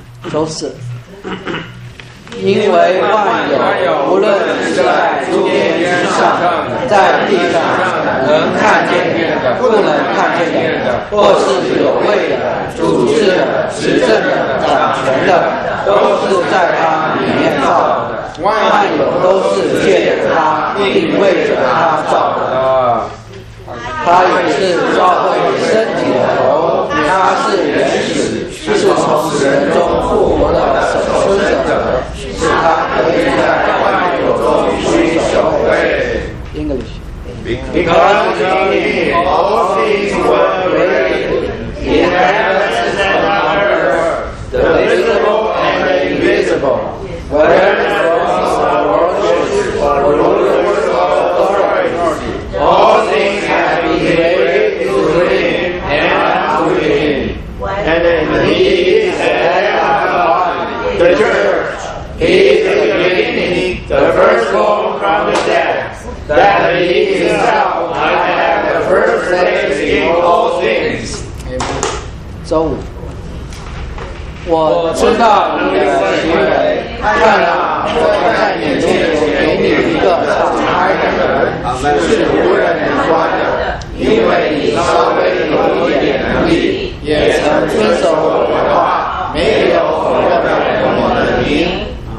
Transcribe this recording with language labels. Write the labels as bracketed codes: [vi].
[zh] 周四因为万有无论是在诸天之上，在地上，能看见的不能看见的，或是有位的主治的执政的掌权的，都是在他里面造的，万有都是借着他并为着他造的。他也是召会身体的头，他是原始，是从死人中复活的首孙者，使他可以在万有中居首位。 [en] English. Because in him all things were created, in heaven and on earth, the visible and the invisible, whether thrones or worlds or rulers or authorities, all things have been made through him and unto him. And he is the head of God, the church. He is the beginning, the firstborn from the dead, that he himself might have the first place in all things. Amen. [zh] 周五，我知道你的行为，看了我在眼前给你一个敞开的门，是无人能关的，因为你稍微有一点能力，也曾遵守我的话，没有否认了我的名。